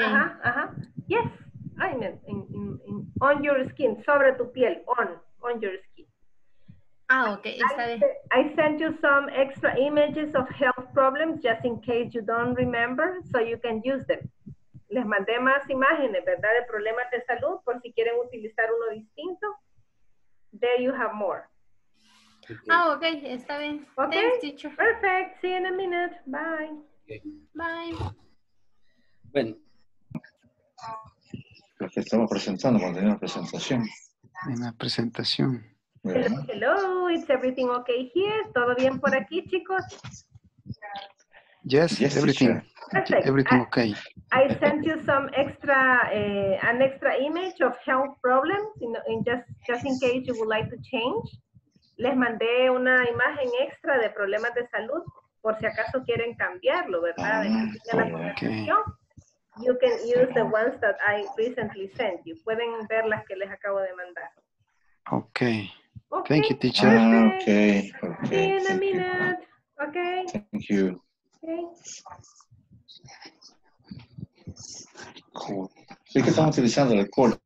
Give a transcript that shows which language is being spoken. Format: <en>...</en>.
<en>Ajá, ajá. Yes, ointment. On your skin,</en> <es>sobre tu piel.</es> <en>On your skin.</en> <es>Ah, ok, está bien.</es> <en>I sent you some extra images of health problems just in case you don't remember, so you can use them.</en> <es>Les mandé más imágenes, ¿verdad? De problemas de salud, por si quieren utilizar uno distinto.</es> <en>There you have more. Okay. Oh, okay,</en> <es>está bien.</es> <en>Okay. Thanks, teacher. Perfect. See you in a minute. Bye. Bye.</en> <es>Bueno. Creo que estamos presentando cuando tenemos presentación. En la presentación.</es> <en>Hello, is everything okay here?</en> <es>¿Todo bien por aquí, chicos?</es> <en>Yes, yes, everything. Perfect. Everything okay. I sent you some extra, an extra image of health problems, you know, in just in case you would like to change.</en> <es>Les mandé una imagen extra de problemas de salud, por si acaso quieren cambiarlo, ¿verdad?</es> <en>Ah, okay. You can use the ones that I recently sent you.</en> <es>Pueden ver las que les acabo de mandar.</es> <en>Okay. Thank you, teacher. Okay. See okay. you in a minute. Okay. Thank you. Okay.</en> <es>Cool. ¿Qué estamos utilizando el alcohol?</es>